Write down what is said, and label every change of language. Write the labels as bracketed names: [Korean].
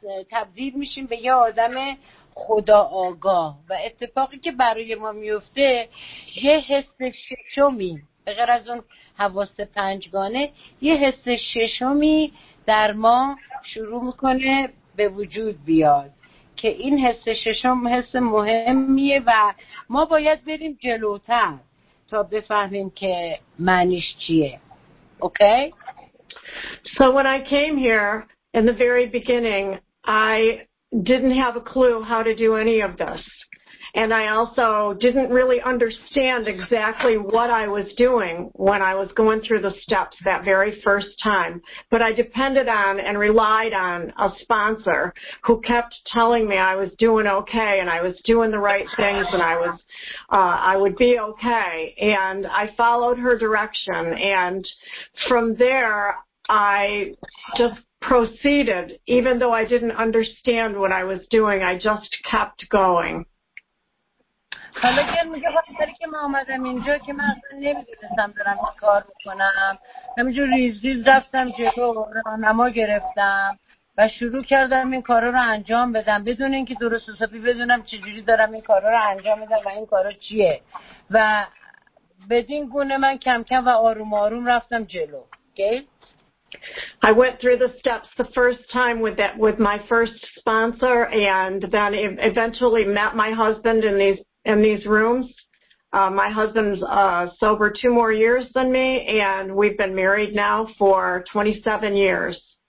[Persian] تبدیل میشیم به یه آدم خدا آگاه و اتفاقی که برای ما میفته یه حس ششمی به غیر از اون حواس پنجگانه، یه حس ششمی در ما شروع میکنه به وجود بیاد که این حس ششم حس مهمیه و ما باید بریم جلوتر تا بفهمیم که معنیش چیه. [English] Okay? So when I came here in the very beginning, I didn't have a clue how to do any of this. And I also didn't really understand exactly what I was doing when I was going through the steps that very first time. But I depended on and relied on a sponsor who kept telling me I was doing okay and I was doing the right things and I would be okay. And I followed her direction. And from there, I just proceeded, even though I didn't understand what I was doing, I just kept going. [Persian] حالا که میگه خاطری که من اومدم اینجا که من اصلا نمیدونستم برم چی کار بکنم، همینجور ریز ریز رفتم جلو، راهنما گرفتم و شروع کردم این کارا رو انجام بدم بدون اینکه درست حسابی بدونم چجوری دارم این کارا رو انجام میدم و این کارا چیه، و بدین گونه من کم کم و آروم آروم رفتم جلو. [English] Okay? I went through the steps the first time with my first sponsor, and then eventually met my husband in these rooms. My husband's sober 2 more years than me, and we've been married now for 27 years.